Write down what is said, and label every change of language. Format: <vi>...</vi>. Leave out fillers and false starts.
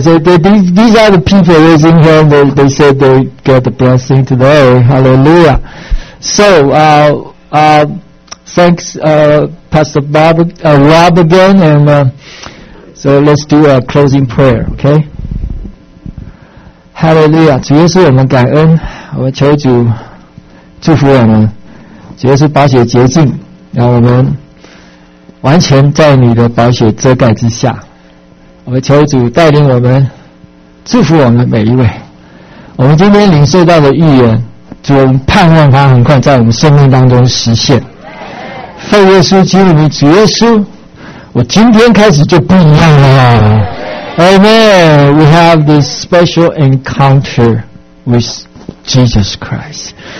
<en>So these are the people raising hand. They said they get the blessing today. Hallelujah! So thanks, Pastor Bob, Rob again, and so let's do a closing prayer, okay?</en> <zh>Hallelujah, 主耶稣我们感恩, 我求主祝福我们, 主耶稣宝血洁净, 让我们完全在你的宝血遮盖之下, 我求主带领我们, 祝福我们每一位, 我们今天领受到的预言, 主我们盼望它很快在我们生命当中实现, 奉耶稣基督的主耶稣, 我今天开始就不一样了。</zh> <en>Amen. We have this special encounter with Jesus Christ.</en>